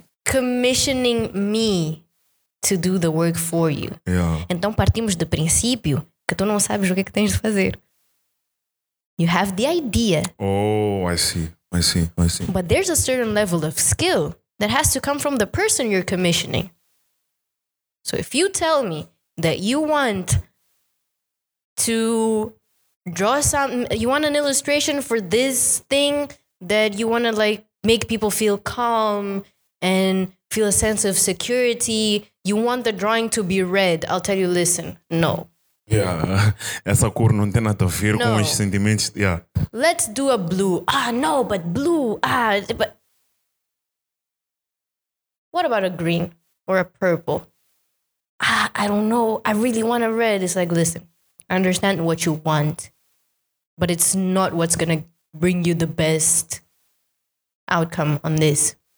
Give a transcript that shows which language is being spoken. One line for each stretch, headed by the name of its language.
English: commissioning me to do the work for you. Yeah.
Portuguese: Então partimos do princípio que tu não sabes o que é que tens de fazer.
English: You have the idea. Oh, I see. But there's a certain level of skill that has to come from the person you're commissioning. So if you tell me that you want to draw something, you want an illustration for this thing that you want to like make people feel calm and feel a sense of security, you want the drawing to be red, I'll tell you, listen, no.
Portuguese: Yeah, essa cor não tem nada a ver com os sentimentos.
English: Yeah. Let's do a blue. Ah, no, but blue. Ah, but what about a green or a purple? Ah, I don't know. I really want a red. It's like, listen, I understand what you want, but it's not what's gonna bring you the best outcome on this.